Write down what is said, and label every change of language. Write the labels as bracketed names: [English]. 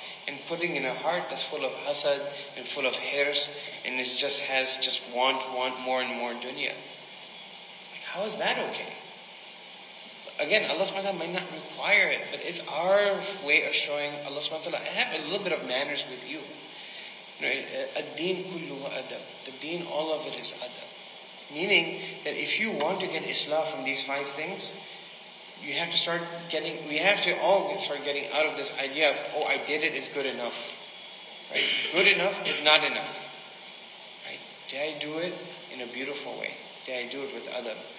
[English] and putting in a heart that's full of hasad and full of hairs, and it just has just want more and more dunya. Like, how is that okay? Again, Allah subhanahu wa ta'ala might not require it, but it's our way of showing Allah subhanahu wa ta'ala, I have a little bit of manners with you. You know, [Arabic] الدين كله أدب. [English] The deen, all of it is adab. Meaning that if you want to get islah from these five things, you have to start getting, we have to all start getting out of this idea of, oh, I did it, it's good enough. Right? Good enough is not enough. Right? Did I do it in a beautiful way? Did I do it with adab?